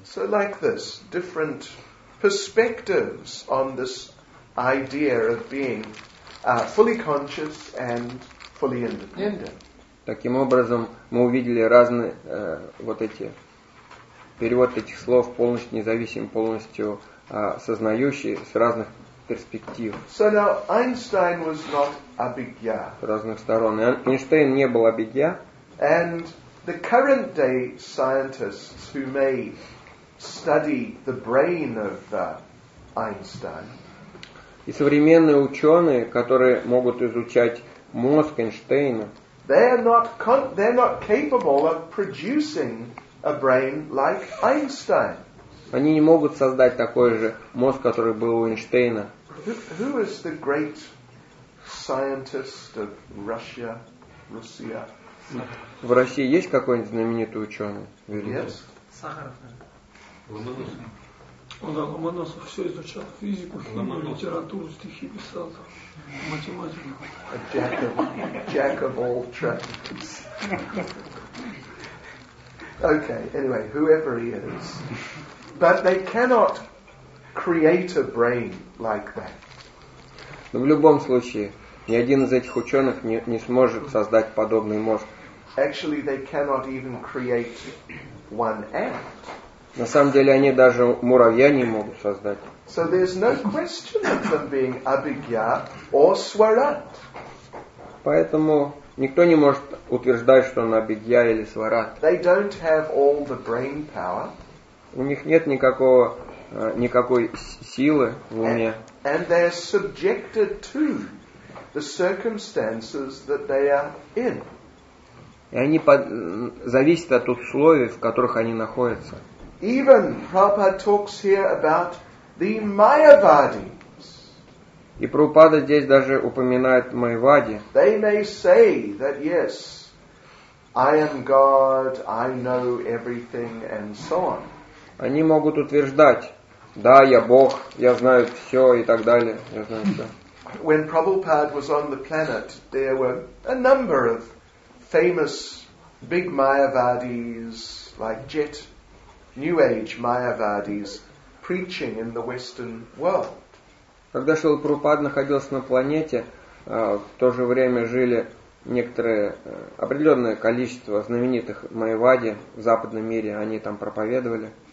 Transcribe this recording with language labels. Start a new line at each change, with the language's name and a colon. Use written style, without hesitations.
English: So like this, different perspectives on this idea of being fully conscious and fully independent.
Russian: Таким образом, мы увидели разные вот эти перевод этих слов полностью независим, полностью сознающий с разных перспектив.
English: So now Einstein was not abhigya.
Russian: С разных сторон. Эйнштейн не был абхигья.
English: And the current day scientists who may study the brain of Einstein.
Russian: И современные ученые, которые могут изучать мозг Эйнштейна,
English: they are not capable of producing a brain like Einstein.
Russian: Они не могут создать такой же мозг, который был у Эйнштейна.
English: Who is the great scientist of Russia? Russia.
Russian: В России есть какой-нибудь знаменитый ученый?
English: Yes.
Russian: Сахаров. Он Ломоносов все изучал, физику, химию, литературу, стихи писал, математику.
English: A jack of all trades. Okay, anyway, whoever he is. But they cannot create a brain like that.
Russian: Но в любом случае, ни один из этих ученых не сможет создать подобный мозг.
English: Actually, they cannot even create one ant.
Russian: На самом деле, они даже муравья не могут создать.
English: So there's no question of them being abhigya or swarat.
Russian: Поэтому никто не может утверждать, что он абхигья или сварат.
English: They don't have all the brain power.
Russian: У них нет никакой силы в уме.
English: And they are subjected to the circumstances that they are in.
Russian: И они зависят от условий, в которых они находятся.
English: Even Prabhupada talks here about the Mayavadis.
Russian: И Прабхупада здесь даже упоминает Майявади.
English: They may say that yes, I am God, I know everything, and so on.
Russian: Они могут утверждать, да, я Бог, я знаю все и так далее, я знаю все.
English: When Prabhupada was on the planet, there were a number of famous big Mayavadis, like Jet, New Age Mayavadis, preaching in the Western world.
Russian: Когда Шрила Прабхупада находился на планете, в то же время жили некоторое определенное количество знаменитых Майявади в западном мире, они там проповедовали.